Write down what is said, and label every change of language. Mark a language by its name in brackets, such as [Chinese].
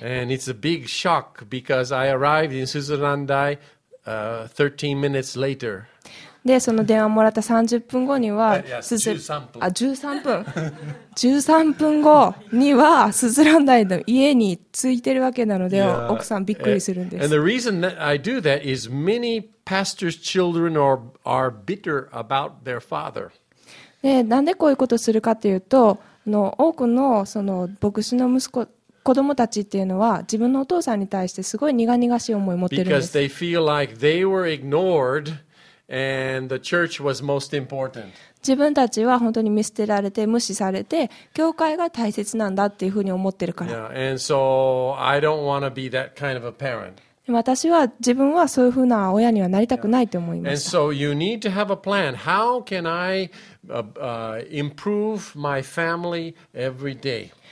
[English] and it's a big shock because I arrived in Suzurandai 13 minutes later. [Japanese] でその電話をもらった30分後には13分後にはスズランダイの家に着いてるわけなので、 [English] yeah. [Japanese] 奥さんびっくりするんです。 [English] And the reason that I do that is many pastors' children are bitter about their father. [Japanese] でなんでこういうことをするかというと、の多くのその牧師の息子子供たちっていうのは自分のお父さんに対してすごい苦々しい思いを持ってるんです。 [English] Because they feel like they were ignored. And the church was most important. [Japanese] 自分たちは本当に見捨てられて無視されて教会が大切なんだっていうふうに思ってるから。 [English] Yeah, and so I don't want to be that kind of a parent. [Japanese] 私は自分はそういうふうな親にはなりたくないと思います。 [English] And so you need to have a plan. How can I improve my family every day?